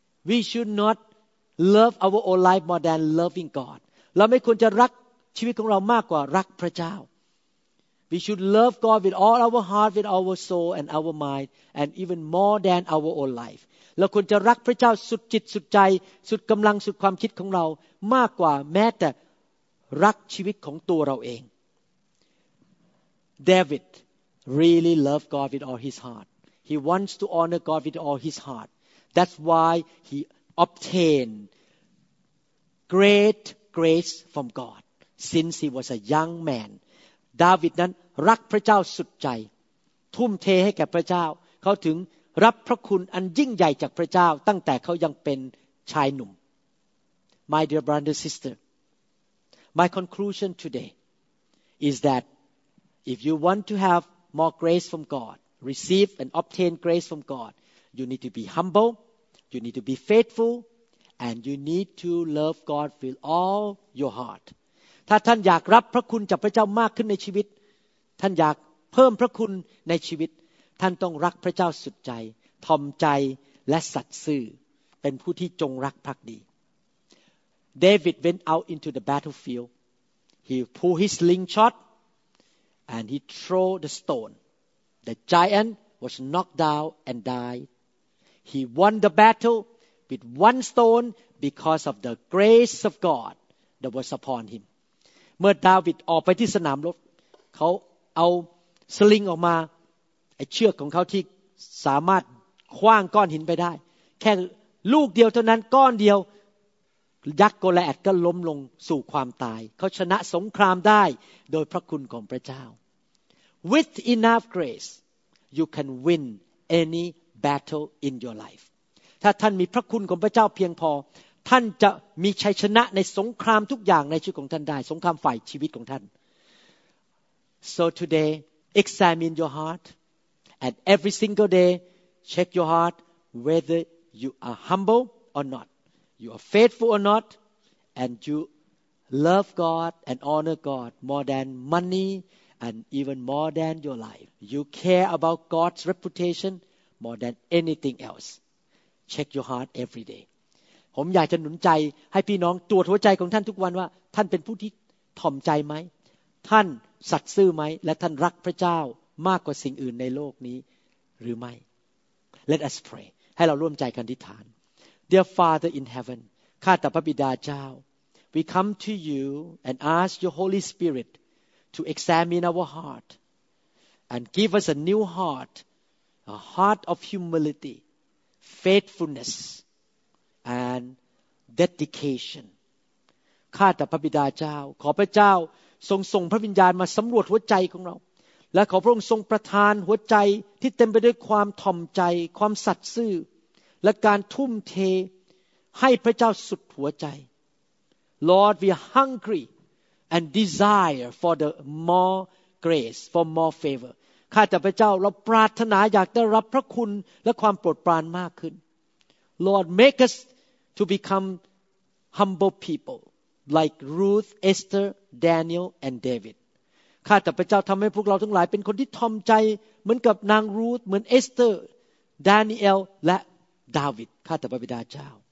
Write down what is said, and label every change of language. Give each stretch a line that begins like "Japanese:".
English: We should not love our own life more than loving God
Thai: เราไม่ควรจะรักชีวิตของเรามากกว่ารักพระเจ้า
English: We should love God with all our heart with our soul and our mind and even more than our own life
Thai: เราควรจะรักพระเจ้าสุดจิตสุดใจสุดกำลังสุดความคิดของเรามากกว่าแม้แต่รักชีวิตของตัวเราเอง
English: David really loved God with all his heart. He wants to honor God with all his heart. That's why he obtained great grace from God since he was a young man.
Thai: David นั้นรักพระเจ้าสุดใจทุ่มเทให้แก่พระเจ้าเขาถึงรับพระคุณอันยิ่งใหญ่จากพระเจ้าตั้งแต่เขายังเป็นชายหนุ่ม
English: My dear brother sister, my conclusion today is that if you want to have more grace from God, receive and obtain grace from God, you need to be humble, you need to be faithful, and you need to love God with all your heart.
Thai: ถ้าท่านอยากรับพระคุณจากพระเจ้ามากขึ้นในชีวิตท่านอยากเพิ่มพระคุณในชีวิตท่านต้องรักพระเจ้าสุดใจทอมใจและสัตย์ซื่อเป็นผู้ที่จงรักภักดี
English: David went out into the battlefield. He pulled his slingshot and he threw the stone. The giant was knocked down and died. He won the battle with one stone because of the grace of God that was upon him.
Thai: เมื่อดาวิดออกไปที่สนามรบเขาเอาสลิงออกมาไอ้เชือกของเขาที่สามารถขว้างก้อนหินไปได้แค่ลูกเดียวเท่านั้นก้อนเดียวยักษ์โกลแอดก็ล้มลงสู่ความตายเขาชนะสงครามได้โดยพระคุณของพระเจ้า
English: With enough grace you can win any battle in your life
Thai: ถ้าท่านมีพระคุณของพระเจ้าเพียงพอท่านจะมีชัยชนะในสงครามทุกอย่างในชีวิตของท่านได้สงครามฝ่ายชีวิตของท่าน
English: So today examine your heart and every single day check your heart whether you are humble or notYou are faithful or not, and you love God and honor God more than money and even more than your life. You care about God's reputation more than anything else. Check your heart every day.
Thai: ผมอยากจะหนุนใจให้พี่น้องตรวจหัวใจของท่านทุกวันว่าท่านเป็นผู้ที่ถ่อมใจไหมท่านสัตย์ซื่อไหมและท่านรักพระเจ้ามากกว่าสิ่งอื่นในโลกนี้หรือไม่
English: Let us pray.
Thai: ให้เราร่วมใจกันอธิษฐาน
English: Dear Father in heaven,
Thai: ข้าแต่พระบิดาเจ้า
English: we come to you and ask your Holy Spirit to examine our heart and give us a new heart, a heart of humility, faithfulness, and dedication.
Thai: ข้าแต่พระบิดาเจ้าขอพระเจ้าทรงส่งพระวิญญาณมาสำรวจหัวใจของเราและขอพระองค์ทรงประทานหัวใจที่เต็มไปด้วยความถ่อมใจความสัตย์ซื่อและการทุ่มเทให้พระเจ้าสุดหัวใจ
English: Lord we are hungry and desire for the more grace for more favor
Thai: ข้าแต่พระเจ้าเราปรารถนาอยากได้รับพระคุณและความโปรดปรานมากขึ้น
English: Lord make us to become humble people like Ruth Esther Daniel and David
Thai: ข้าแต่พระเจ้าทำให้พวกเราทั้งหลายเป็นคนที่ถ่อมใจเหมือนกับนางรูธเหมือนเอสเตอร์ดานิเอลและดาวิดข้าแต่พระบิดาเจ้า